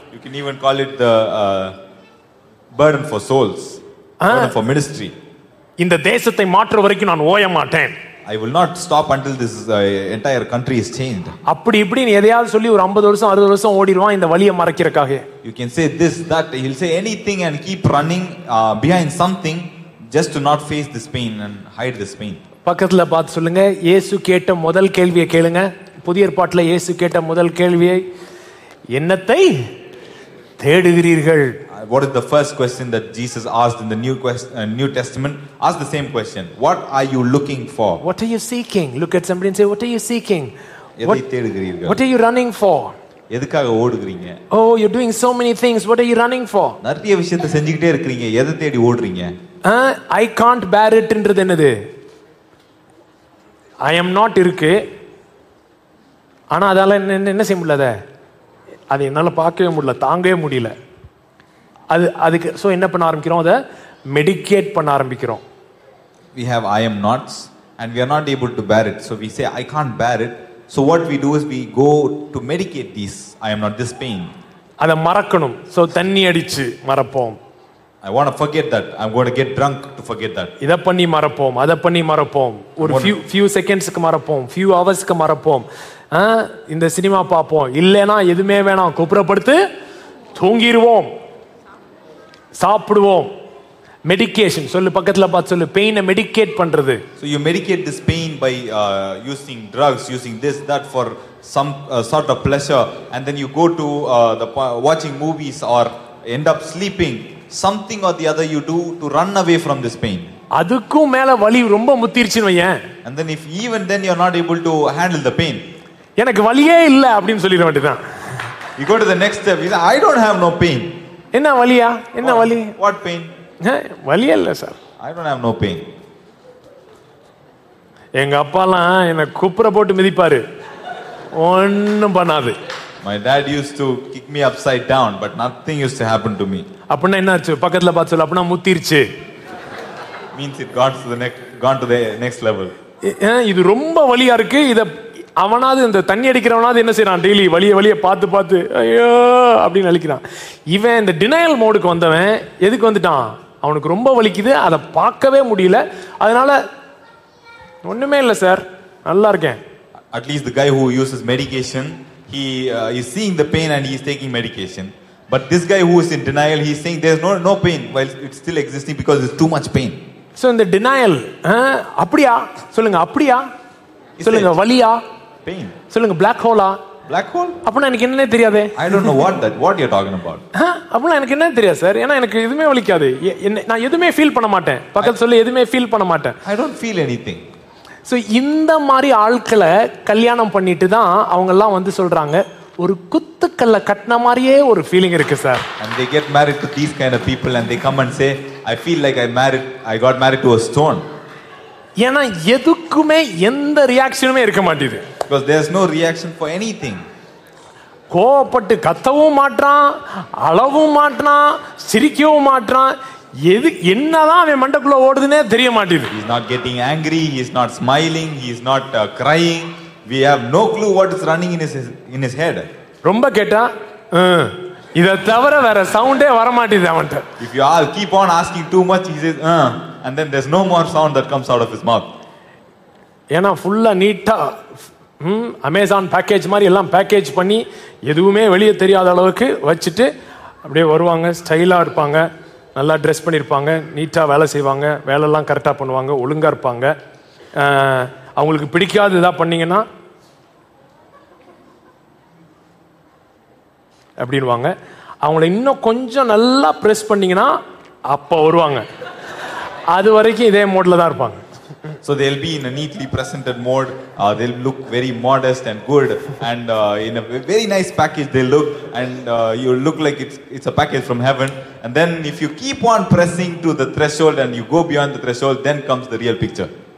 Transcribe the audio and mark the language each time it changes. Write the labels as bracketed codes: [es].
[en] you can even call it the burden for souls, burden for ministry. [ta] இந்த தேசத்தை மாற்ற வரைக்கும் நான் ஓய மாட்டேன், [en] I will not stop until this entire country is changed. [ta] அப்படி இப்படி நீ எதையாவது சொல்லி ஒரு 50 வருஷம் 60 வருஷம் ஓடிடுவான் இந்த வலியை மறக்கிறதுக்காக. [en] You can say this, that, he'll say anything and keep running behind something just to not face this pain and hide this pain. [ta] பக்கத்துல பார்த்து சொல்லுங்க, இயேசு கேட்ட முதல் கேள்வியை கேளுங்க. புதிய ஏற்பாட்டில் இயேசு கேட்ட முதல் கேள்வியை, என்னத்தை தேடுகிறீர்கள்? [en] What is the first question that Jesus asked in the New Testament? Ask the same question. What are you looking for? What are you seeking? Look at somebody and say, what are you seeking? What are you running for? [ta] எதுக்காக ஓடுறீங்க? [en] Oh, you're doing so many things. What are you running for? [ta] நிறைய விஷயத்தை செஞ்சிட்டே இருக்கீங்க, எதை தேடி ஓடுறீங்க? [en] I can't bear it [ta] ன்றது என்னது? [en] I am not [ta] இருக்கு. ஆனா அதால என்ன செய்ய முடியல, அதை என்னால் பார்க்கவே முடியல, தாங்கவே முடியல. அது அதுக்கு ஸோ என்ன பண்ண ஆரம்பிக்கிறோம், அதை மெடிக்கேட் பண்ண ஆரம்பிக்கிறோம். [en] We have I am nots and we are not able to bear it. So we say I can't bear it. So what we do is we go to medicate these I am not, this pain. [ta] அதை மறக்கணும். So தண்ணி அடிச்சு மறப்போம். [en] I want to forget that. I'm going to get drunk to forget that. [ta] இத பண்ணி மறப்போம், அத பண்ணி மறப்போம், ஒரு [en] few seconds [ta] க்கு மறப்போம், [en] few hours [ta] க்கு மறப்போம், இந்த சினிமா பார்ப்போம், இல்லனா எதுமே வேணாம், குப்புறப்படுத்து தூங்கிடுவோம், சாப்பிடுவோம். மெடிக்கேஷன் சொல்லு, பக்கத்துல பார்த்து சொல்லு, பெயினை மெடிக்கேட் பண்றது. [en] So you medicate this pain by using drugs, using this, that for some sort of pleasure and then you go to watching movies or end up sleeping. Something or the other you do to run away from this pain. [ta] அதுக்கு மேல வலி ரொம்ப முத்திருச்சுன வையே. [en] And then if even then you're not able to handle the pain. [ta] எனக்கு வலியே இல்ல அப்படினு சொல்லிர வேண்டியதா. [en] You go to the next step. You say, I don't have no pain. [ta] என்ன வலியா? என்ன வலி? [en] What pain? [ta] வலியே இல்ல sir. [en] I don't have no pain. [ta] எங்க அப்பாலாம் என்ன குப்புற போட்டு மிதிப்பாரு. ஒண்ணும் பண்ணாது. [en] My dad used to kick me upside down but nothing used to happen to me. [ta] அப்பனா என்னாச்சு? பக்கத்துல பார்த்து சொல்ல, அப்பனா முத்திருச்சு. [en] Means it got to the neck, gone to the next level. [ta] இது ரொம்ப வலியா இருக்கு. இத அவனாவது இந்த தண்ணி அடிக்கிறவனாவது என்ன செய்யறான், டெய்லி வலிய வலிய பார்த்து பார்த்து ஐயோ அப்படின்னு நினைக்கிறான். இவன் இந்த டினையல் மோடுக்கு வந்தவன் எதுக்கு வந்துட்டான், அவனுக்கு ரொம்ப வலிக்குது, அதை பார்க்கவே முடியல, அதனால ஒண்ணுமே இல்லை சார், நல்லா இருக்கேன். [en] At least the guy who uses medication, he is seeing the pain and he is taking medication. But this guy who is in denial, he is saying there is no pain while it's still existing because it's too much pain. So in the denial, [ta] அப்படியா சொல்லுங்க, அப்படியா சொல்லுங்க, வலியா [en] pain [ta] சொல்லுங்க, black hole ஆ [en] black hole, [ta] அப்பனா எனக்கு என்னே தெரியாதே. [en] I don't know what you're talking about. [ta] அப்பனா எனக்கு என்ன தெரியாது சார், ஏனா எனக்கு எதுமே வலிக்காது, நான் எதுமே ஃபீல் பண்ண மாட்டேன், பக்கத்துல சொல்ல எதுமே ஃபீல் பண்ண மாட்டேன். [en] I don't feel anything. [ta] So இந்த மாதிரி ஆட்களை கல்யாணம் பண்ணிட்டு தான் அவங்க எல்லாம் வந்து சொல்றாங்க, ஒரு குத்துக்கல்ல கட்டின மாதிரியே ஒரு ஃபீலிங் இருக்கு sir. [en] And they get married to these kind of people and they come and say I feel like I got married to a stone. [ta] ஏனா எதுக்குமே எந்த ரியாக்ஷனுமே இருக்க மாட்டீது. [en] Because there's no reaction for anything. [ta] கோபப்பட்டு கத்தவும் மாட்டறான், அழவும் மாட்டறான், சிரிக்கவும் மாட்டறான், எது என்னதான் அவன் மண்டக்குள்ள ஓடுதுனே தெரிய மாட்டீது. [en] He's not getting angry, he's not smiling, he's not crying. We have no clue what is running in his head. [ta] ரொம்ப கேட்டா இத தவிர வேற சவுண்டே வர மாட்டீது அவன்ட. [en] If you all keep on asking too much, he says and then there's no more sound that comes out of his mouth. [ta] ஏனா ஃபுல்லா நீட்டா அமேசான் பேக்கேஜ் மாதிரி எல்லாம் பேக்கேஜ் பண்ணி எதுவுமே வெளியே தெரியாத அளவுக்கு வச்சுட்டு அப்படியே வருவாங்க. ஸ்டைலாக இருப்பாங்க, நல்லா ட்ரெஸ் பண்ணியிருப்பாங்க, நீட்டாக வேலை செய்வாங்க, வேலையெல்லாம் கரெக்டாக பண்ணுவாங்க, ஒழுங்காக இருப்பாங்க. அவங்களுக்கு பிடிக்காத இதாக பண்ணிங்கன்னா அப்படின்வாங்க. அவங்கள இன்னும் கொஞ்சம் நல்லா ப்ரெஸ் பண்ணிங்கன்னா அப்போ வருவாங்க. அது வரைக்கும் இதே மோடில் தான் இருப்பாங்க. [en] So they'll be in a neatly presented mode. They'll look very modest and good. And in a very nice package they'll look. And you'll look like it's a package from heaven. And then if you keep on pressing to the threshold and you go beyond the threshold, then comes the real picture.